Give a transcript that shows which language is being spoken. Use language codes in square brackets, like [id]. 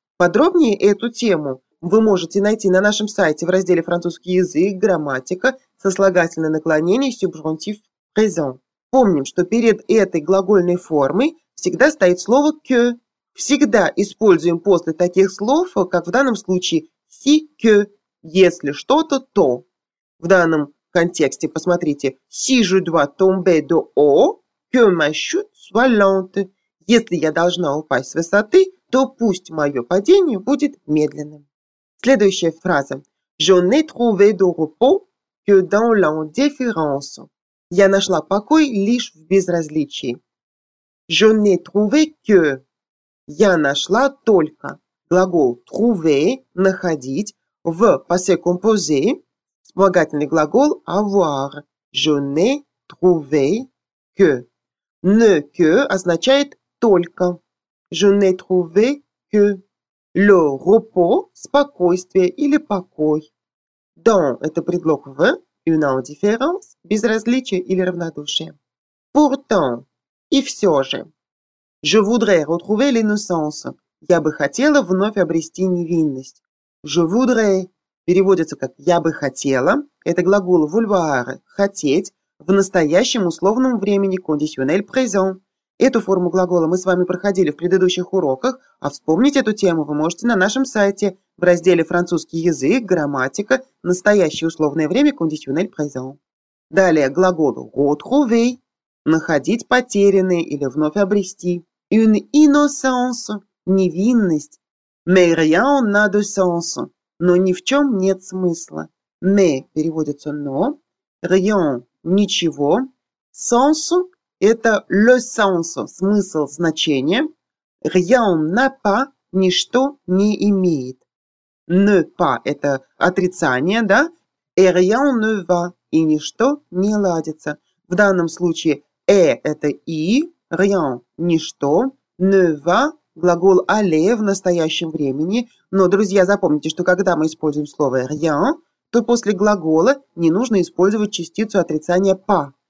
[ru] Подробнее эту тему вы можете найти на нашем сайте в разделе «Французский язык. Грамматика. Сослагательное наклонение субжонктив présent». Помним, что перед этой глагольной формой всегда стоит слово «que». Всегда используем после таких слов, как в данном случае «si que», «если что-то, то». В данном контексте посмотрите [fr] «si je dois tomber de haut, que ma chute soit lente». [ru] «Если я должна упасть с высоты, то пусть мое падение будет медленным». Следующая фраза. [fr] «Je n'ai trouvé de repos que dans l'indifférence». [ru] «Я нашла покой лишь в безразличии». [fr] Je n'ai trouvé que. [ru] Я нашла только. Глагол trouver – находить. В passé composé – вспомогательный глагол avoir. [fr] Je n'ai trouvé que. Ne que [ru] означает только. [fr] Je n'ai trouvé que. Le repos [ru] – спокойствие или покой. Dans – это предлог в. Une indifférence – безразличие или равнодушие. Pourtant – и все же. [fr] Je voudrais retrouver l'innocence. [ru] Я бы хотела вновь обрести невинность. [fr] Je voudrais [ru] переводится как «я бы хотела». Это глагол vouloir – «хотеть» в настоящем условном времени conditionnel présent. Эту форму глагола мы с вами проходили в предыдущих уроках, а вспомнить эту тему вы можете на нашем сайте в разделе «Французский язык. Грамматика. Настоящее условное время conditionnel présent». Далее глагол retrouver – находить потерянное или вновь обрести. Une innocence – невинность. [fr] Mais rien n'a de sens – [ru] но ни в чем нет смысла. Mais переводится «но». Rien – ничего. Sens – это le sens – смысл, значение. [fr] Rien n'a pas [ru] – ничто не имеет. Ne pas – это отрицание, да? [fr] Et rien ne va – [ru] и ничто не ладится. В данном случае «э» – это «и», «rien» – «ничто», «ne va» – глагол «aller» в настоящем времени. Но, друзья, запомните, что когда мы используем слово «rien», то после глагола не нужно использовать частицу отрицания «pas».